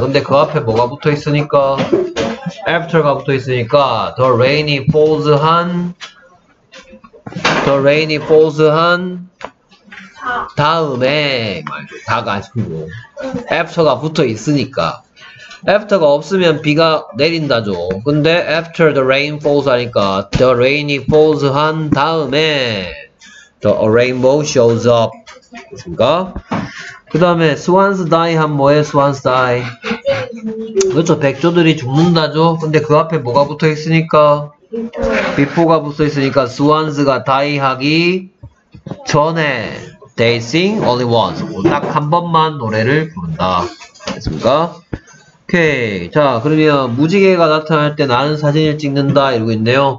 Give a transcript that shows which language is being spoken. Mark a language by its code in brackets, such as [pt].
[ko] 근데 그 앞에 뭐가 붙어 있으니까 after가 붙어 있으니까 [en] the rain falls [ko] 한 [en] The rain falls [ko] 한 다음에 다가 아니고 after가 붙어 있으니까 after가 없으면 비가 내린다죠. 근데 [en] after the rain falls [ko] 하니까 [en] the rain falls [ko] 한 다음에 [en] the rainbow shows up [ko] 그니까 그 다음에 [en] swans die [ko] 한 뭐에 [en] swans die [ko] 그렇죠 백조들이 죽는다죠. 근데 그 앞에 뭐가 붙어 있으니까 before가 붙어 있으니까 swans가 die 하기 전에 [en] they sing only once [ko] 딱 한 번만 노래를 부른다 됐습니까? 오케이 자 그러면 무지개가 나타날 때 나는 사진을 찍는다 이러고 있네요.